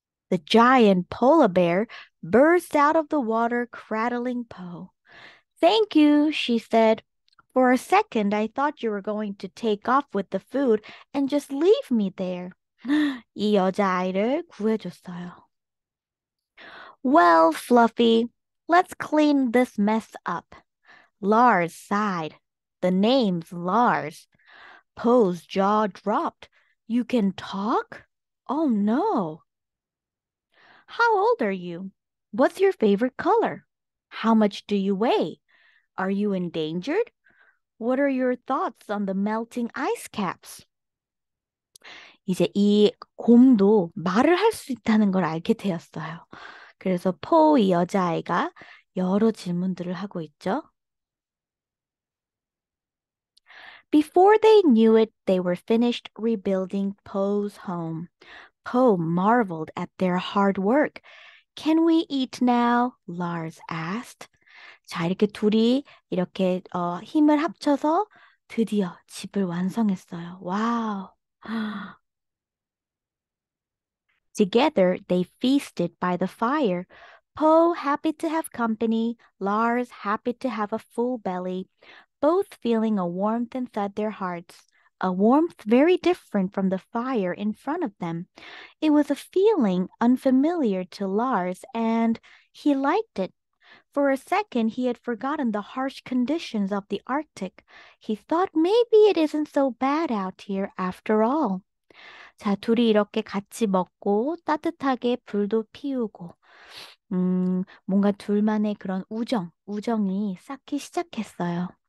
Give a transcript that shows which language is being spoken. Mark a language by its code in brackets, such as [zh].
[en] The giant polar bear burst out of the water, cradling Poe. Thank you, she said. For a second, I thought you were going to take off with the food and just leave me there. [ko] 이 여자아이를 구해줬어요. [en] Well, Fluffy, let's clean this mess up. Lars sighed. The name's Lars. Poe's jaw dropped. You can talk? Oh no. How old are you? What's your favorite color? How much do you weigh? Are you endangered? What are your thoughts on the melting ice caps? [ko] 이제 이 곰도 말을 할수 있다는 걸 알게 되었어요. 그래서 포이 여자아이가 여러 질문들을 하고 있죠. [en] Before they knew it, they were finished rebuilding Poe's home. Poe marveled at their hard work. Can we eat now? Lars asked. [ko] 자, 이렇게 둘이 이렇게 힘을 합쳐서 드디어 집을 완성했어요. 와우. [en] Together, they feasted by the fire. Poe happy to have company, Lars happy to have a full belly, both feeling a warmth inside their hearts, a warmth very different from the fire in front of them. It was a feeling unfamiliar to Lars, and he liked it. For a second, he had forgotten the harsh conditions of the Arctic. He thought maybe it isn't so bad out here after all. [ko] 자, 둘이 이렇게 같이 먹고 따뜻하게 불도 피우고 뭔가 둘만의 그런 우정이 쌓기 시작했어요.